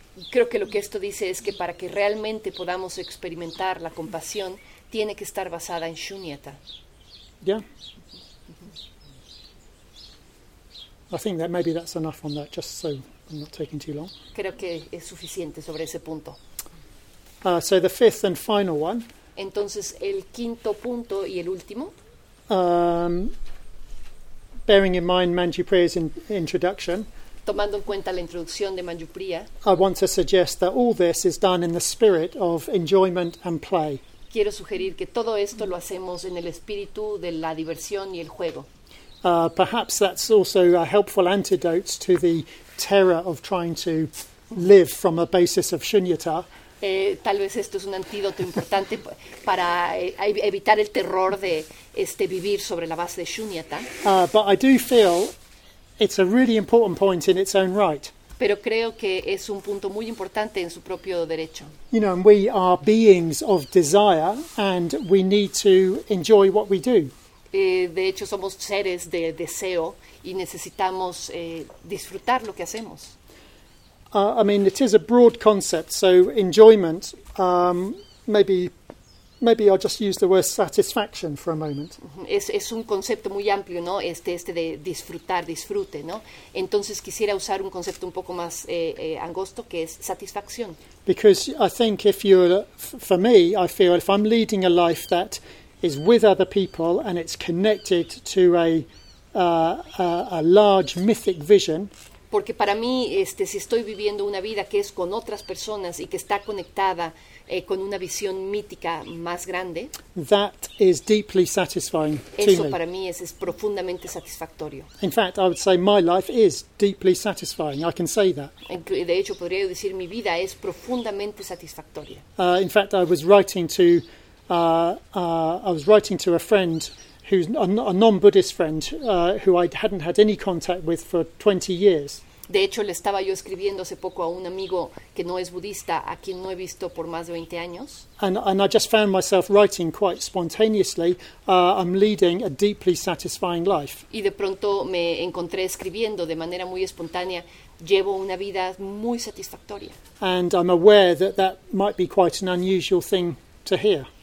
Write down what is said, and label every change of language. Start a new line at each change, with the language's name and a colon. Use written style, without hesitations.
Spanish: Creo que lo que esto dice es que para que realmente podamos experimentar la compasión, tiene que estar basada en shunyata.
English: Yeah. I think that maybe that's enough on that, just so I'm not taking too long.
Spanish: Creo que es suficiente sobre ese punto.
English: So the fifth and final one.
Spanish: Entonces, el quinto punto y el último.
English: Bearing in mind Manjupriya's introduction.
Spanish: Tomando en cuenta la introducción de Manjupriya.
English: I want to suggest that all this is done in the spirit of enjoyment and play.
Spanish: Quiero sugerir que todo esto lo hacemos en el espíritu de la diversión y el juego.
English: Perhaps that's also a helpful antidote to the terror of trying to live from a basis of shunyata.
Spanish: Tal vez esto es un antídoto importante para evitar el terror de vivir sobre la base de shunyata.
English: But I do feel it's a really important point in its own right.
Spanish: Pero creo que es un punto muy importante en su propio derecho.
English: You know, we are beings of desire and we need to enjoy what we do.
Spanish: De hecho, somos seres de deseo y necesitamos disfrutar lo que hacemos.
English: I mean, it is a broad concept, so enjoyment, maybe I'll just use the word satisfaction for a moment.
Spanish: Es un concepto muy amplio, ¿no? Este de disfrutar, disfrute, ¿no? Entonces quisiera usar un concepto un poco más angosto, que es satisfacción.
English: Because I think if I'm leading a life that is with other people and it's connected to a large mythic vision.
Spanish: Porque para mí, si estoy viviendo una vida que es con otras personas y que está conectada con una visión mítica más grande.
English: That is deeply satisfying to me.
Spanish: Eso para mí es profundamente satisfactorio.
English: In fact, I would say my life is deeply satisfying. I can say that.
Spanish: De hecho, podría decir mi vida es profundamente satisfactoria.
English: In fact, I was writing to. I was writing to a friend who's a non-Buddhist friend who I hadn't had any contact with for 20 years.
Spanish: De hecho, le estaba yo escribiendo hace poco a un amigo que no es budista, a quien no he visto por más de 20 años.
English: And I just found myself writing quite spontaneously, I'm leading a deeply satisfying life.
Spanish: Y de pronto me encontré escribiendo de manera muy espontánea, llevo una vida muy satisfactoria.
English: And I'm aware that might be quite an unusual thing to hear.